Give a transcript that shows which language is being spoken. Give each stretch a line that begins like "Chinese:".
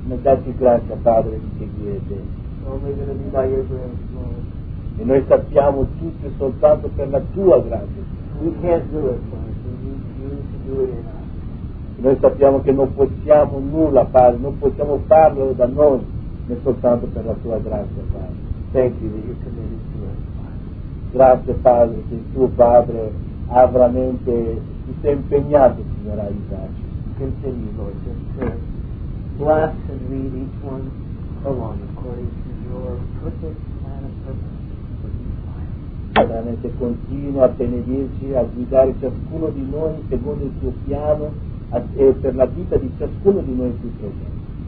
Italian: Ma dacci grazia, Padre, di seguire. E noi sappiamo tutto soltanto per la tua grazia.
English: We can't do it, Father. We need to do it in us.
Italian: Noi sappiamo che non possiamo nulla, Padre, non possiamo farlo da noi, ma soltanto per la tua grazia, Padre.
English: Thank you that you're committed to us, Father.
Italian: Grazie, Padre, che il tuo Padre ha veramente, si è impegnato, Signore, a aiutarci.
English: Continue, Lord, just to bless and lead each one along according to your perfect plan and purpose.
Italian: Veramente continua a benedirci, a guidare ciascuno di noi secondo il tuo piano e per la vita di ciascuno di noi più presente.